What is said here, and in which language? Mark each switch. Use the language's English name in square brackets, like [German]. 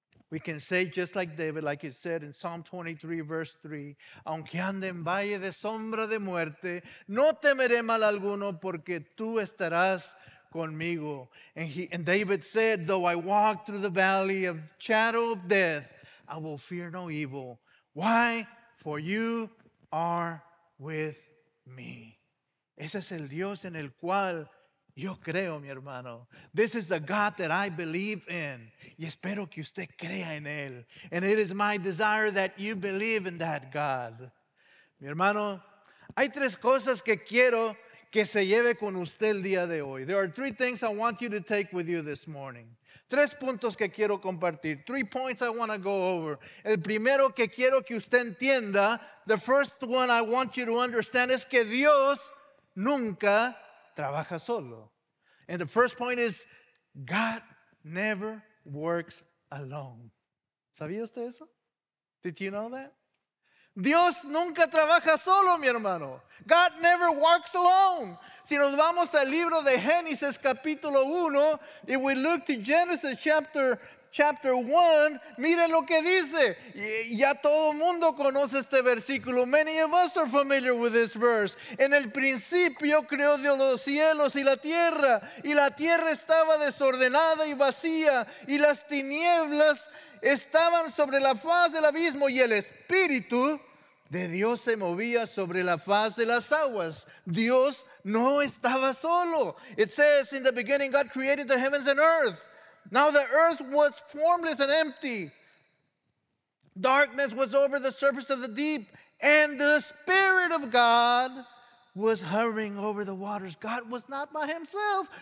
[English] we can say just like David, like he said in Psalm 23, verse 3, [Spanish] aunque ande en valle de sombra de muerte, no temeré mal alguno porque tú estarás conmigo. [English] And David said, though I walk through the valley of shadow of death, I will fear no evil. Why? For you are with me. [Spanish] Ese es el Dios en el cual yo creo, mi hermano. [English] This is the God that I believe in. [Spanish] Y espero que usted crea en él. [English] And it is my desire that you believe in that God. [Spanish] Mi hermano, hay tres cosas que quiero que se lleve con usted el día de hoy. [English] There are three things I want you to take with you this morning. [Spanish] Tres puntos que quiero compartir. [English] Three points I want to go over. [Spanish] El primero que quiero que usted entienda, [English] the first one I want you to understand, [Spanish] es que Dios nunca trabaja solo. [English] And the first point is, God never works alone. [Spanish] ¿Sabía usted eso? [English] Did you know that? [Spanish] Dios nunca trabaja solo, mi hermano. [English] God never works alone. [Spanish] Si nos vamos al libro de Génesis capítulo 1, [English] if we look to Genesis chapter 1, [Spanish] mire lo que dice. Ya todo mundo conoce este versículo. [English] Many of us are familiar with this verse. [Spanish] En el principio creó Dios los cielos y la tierra estaba desordenada y vacía, y las tinieblas estaban sobre la faz del abismo, y el Espíritu de Dios se movía sobre la faz de las aguas. Dios no estaba solo. [English] It says, in the beginning God created the heavens and earth. Now the earth was formless and empty. Darkness was over the surface of the deep, and the Spirit of God was hovering over the waters. God was not by himself.